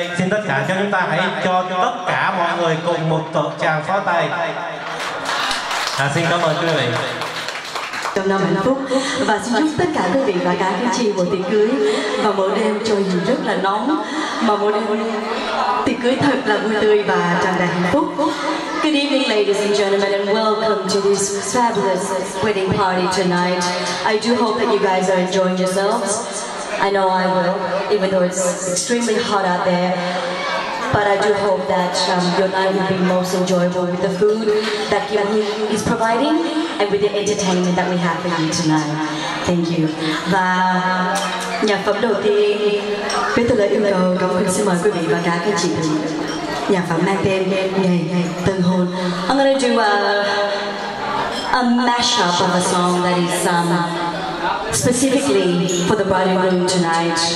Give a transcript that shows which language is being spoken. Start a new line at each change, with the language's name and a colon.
Vietnamese: Xin tất cả chúng ta hãy cho tất cả mọi người cùng một tràng pháo tay. À, xin cảm ơn quý vị. Trong năm hạnh phúc, và xin chúc tất cả quý vị và cả quý chị một tiệc cưới và một đêm trời dù rất là nóng, mà một đêm tiệc cưới thật là vui tươi và tràn đầy hạnh phúc.
English: Good evening, ladies and gentlemen, and welcome to this fabulous wedding party tonight. I do hope that you guys are enjoying yourselves. I know I will, even though it's extremely hot out there. but I do hope that your night will be most enjoyable with the food that Kiwi is providing and with the entertainment that we have for you tonight. Thank you.
Vietnamese: Và nhạc phẩm đầu tiên, với tôi là yêu cầu cảm ơn xin mời quý vị và cả các chị thân. Nhạc phẩm mang tên Ngày Ngày Tân Hôn.
English: I'm gonna do a mashup of a song that is specifically for the bride and groom tonight.